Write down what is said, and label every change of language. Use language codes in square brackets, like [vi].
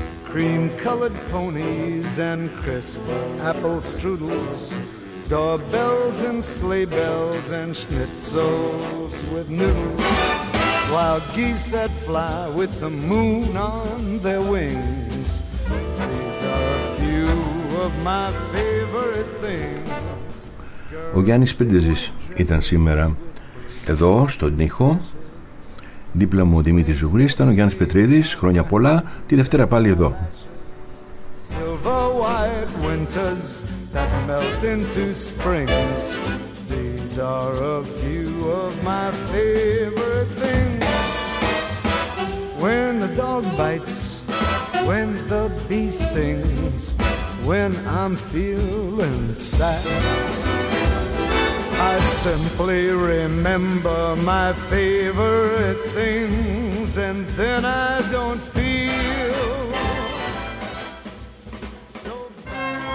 [en] Cream-colored ponies and crisp apple strudels, doorbells and sleigh bells and schnitzels with noodles. wild geese that fly with the moon on their wings. These are a few of my favorite things. [el] Ο Γιάννης Πρίντεζης ήταν σήμερα εδώ στον ήχο. Δίπλα μου ο Δημήτρης Ζουγρής, ήταν ο Γιάννης Πετρίδης. Χρόνια πολλά, τη Δευτέρα πάλι εδώ. [en] Silver white winters that melt into springs. These are a few of my favorite things. When the dog bites, when the bee stings, when I'm feeling sad, I simply remember my favorite things, and then I don't feel so bad.